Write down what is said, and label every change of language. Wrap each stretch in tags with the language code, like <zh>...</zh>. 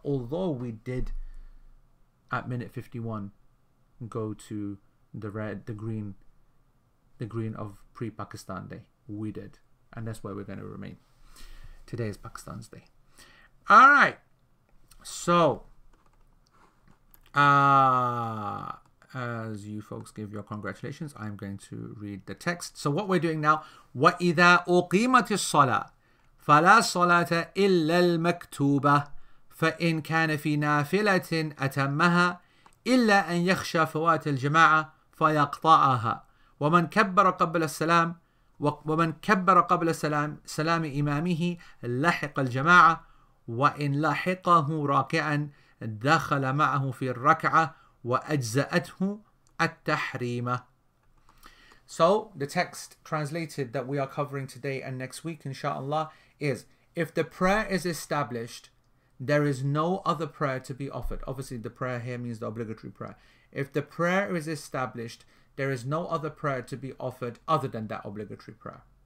<en>Although we did, at minute 51, go to the red, the green of pre-Pakistan day. We did, and that's where we're going to remain. Today is Pakistan's day. All right, so as you folks give your congratulations, I'm going to read the text. So what we're doing now,</en> <ar>wa idha uqimatis sala fala salata illa al maktuba fa in kana fi nafilatin atammaha إلا أن يخشى فوات الجماعة فيقطعها ومن كبر قبل السلام ومن كبر قبل سلام إمامه لحق الجماعة وإن لحقه راكعا دخل معه في الركعة وأجزأته التحريم.</ar> <en>So the text translated that we are covering today and next week inshallah is, if the prayer is established, there is no other prayer to be offered. Obviously, the prayer here means the obligatory prayer. If the prayer is established, there is no other prayer to be offered other than that obligatory prayer.</en>